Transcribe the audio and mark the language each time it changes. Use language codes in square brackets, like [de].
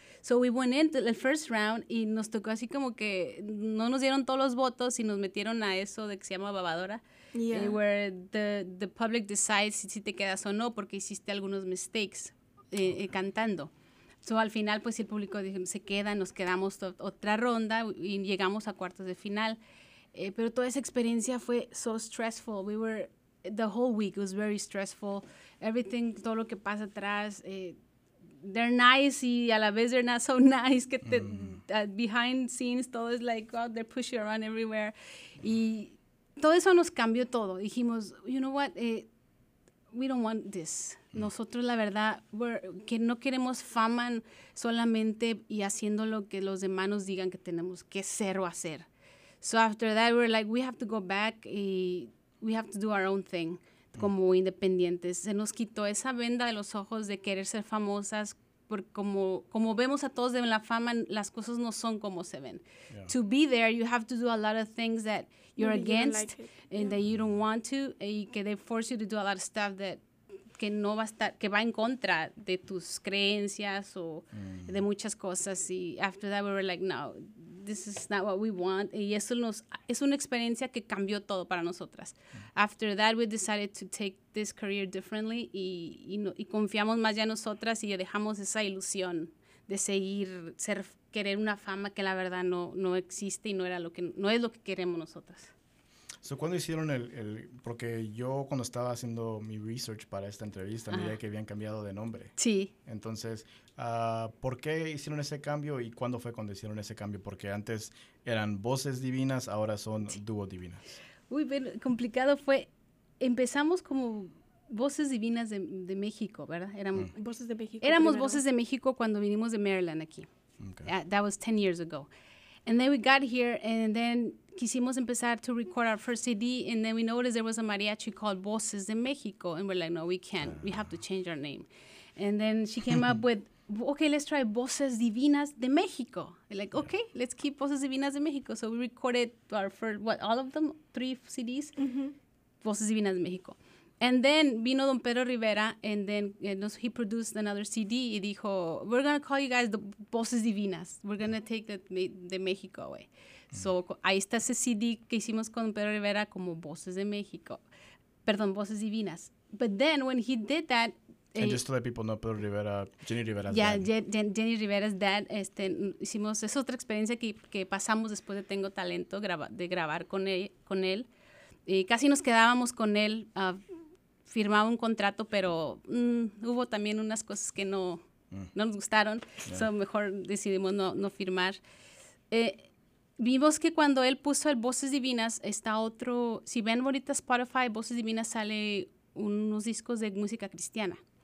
[en] So we went in the first round [es] y nos tocó así como que no nos dieron todos los votos y nos metieron a eso de que se llama babadora. [en] Yeah. Where the public decides [es] si te quedas o no porque hiciste algunos mistakes cantando. So, al final, pues, el público dijo, se queda, nos quedamos otra ronda y llegamos a cuartos de final. Pero toda esa experiencia fue [en] so stressful. We were, the whole week was very stressful. Everything, [es] todo lo que pasa atrás, [en] they're nice [es] y a la vez [en] they're not so nice. Que behind scenes, [es] todo es [en] like, oh, they're pushing around everywhere. [es] Y todo eso nos cambió todo. Dijimos, [en] you know what, we don't want this. [es] Nosotros, la verdad, que no queremos fama solamente y haciendo lo que los demás nos digan que tenemos que ser o hacer. [en] So after that, we're like, we have to go back and we have to do our own thing [es] como independientes. Se nos quitó esa venda de los ojos de querer ser famosas porque como vemos a todos de la fama, las cosas no son como se ven. [en] Yeah. To be there, you have to do a lot of things that you're maybe against you don't like it. And yeah. that you don't want to y que they force you to do a lot of stuff that [es] que no va a estar, que va en contra de tus creencias o de muchas cosas. [en] Y after that we were like, no, this is not what we want. [es] Y eso es una experiencia que cambió todo para nosotras. [en] After that we decided to take this career differently [es] y confiamos más ya en nosotras y dejamos esa ilusión de seguir, querer una fama que la verdad no existe y no es lo que queremos nosotras. So, ¿cuándo hicieron el...? Porque yo cuando estaba haciendo mi research para esta entrevista, miré que habían cambiado de nombre. Sí. Entonces, ¿por qué hicieron ese cambio y cuándo fue cuando hicieron ese cambio? Porque antes eran Voces Divinas, ahora son Dúo Divinas. Uy, bien complicado fue... Empezamos como Voces Divinas de México, ¿verdad? Voces de México. Éramos primero. Voces de México cuando vinimos de Maryland aquí. [en] Okay. That was 10 years ago. And then we got here, and then [es] quisimos empezar [en] to record our first CD, and then we noticed there was a mariachi called Voces de México, and we're like, no, we can't. We have to change our name. And then she came up with, okay, let's try Voces Divinas de México. And like, okay, yeah, let's keep Voces Divinas de México. So we recorded our first, all of them, 3 CDs, mm-hmm, Voces Divinas de México. And then vino Don Pedro Rivera, and then he produced another CD, [es] y dijo, [en] we're going to call you guys the Voces Divinas. We're going to take the México away. Mm-hmm. [es] So ahí está ese CD que hicimos con Don Pedro Rivera como Voces de México. Perdón, [en] Voces Divinas. But then when he did that, and just to let people know, Pedro Rivera, Jenny Rivera's dad. Yeah, Jenny Rivera's dad. [es] Hicimos, es otra experiencia que pasamos después de Tengo Talento, grabar con él. Y casi nos quedábamos con él, firmaba un contrato, pero hubo también unas cosas que no nos gustaron. Yeah. So mejor decidimos no firmar. Vimos que cuando él puso el Voces Divinas, está otro, si ven ahorita Spotify, Voces Divinas sale unos discos de música cristiana.